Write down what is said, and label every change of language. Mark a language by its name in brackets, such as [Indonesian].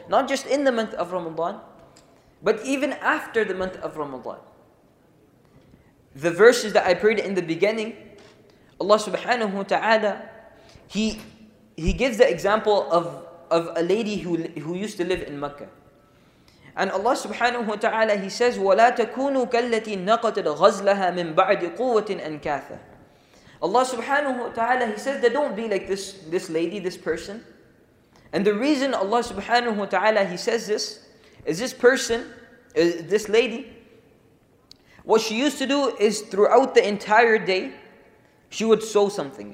[English] Not just in the month of Ramadan, but even after the month of Ramadan. The verses that I prayed in the beginning, Allah subhanahu wa ta'ala, He gives the example of a lady who used to live in Mecca. And Allah subhanahu wa ta'ala, He says, [Arabic] وَلَا تَكُونُوا كَالَّتِي نَقَتَدْ غَزْلَهَا مِنْ بَعْدِ قُوَّةٍ أَنْكَاثَ. [English] Allah subhanahu wa ta'ala, He says that don't be like this lady, this person. And the reason Allah subhanahu wa ta'ala, He says this, is this person, this lady, what she used to do is throughout the entire day, she would sew something.